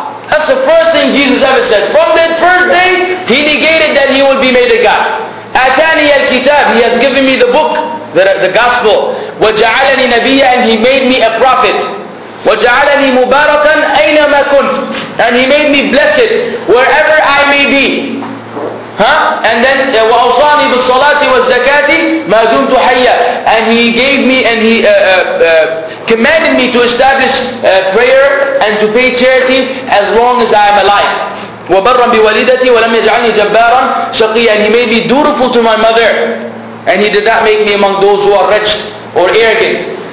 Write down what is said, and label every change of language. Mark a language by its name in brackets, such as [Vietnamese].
[English] That's the first thing Jesus ever said. From that first day, he negated that he would be made a God. [Arabic] Atani al-kitab, [English] he has given me the book, the gospel. [Arabic] وَجَعَلَنِي نَبِيًّا, [English] and he made me a prophet. [Arabic] وَجَعَلَنِي مُبَارَكًا أَيْنَمَا كُنْتُ, [English] and he made me blessed wherever I may be. Huh? And then [Arabic] وَأَوْصَانِي بِالصَّلَاةِ وَالزَّكَاةِ مَا دُمْتُ حَيَّا, [English] and he gave me and he commanded me to establish prayer and to pay charity as long as I am alive. [Arabic] وَبَرًّا بِوَلِدَتِي وَلَمْ يَجْعَلْنِي جَبَّارًا شَقِيًّا. [English] And he made me dutiful to my mother, and he did not make me among those who are wretched or arrogant.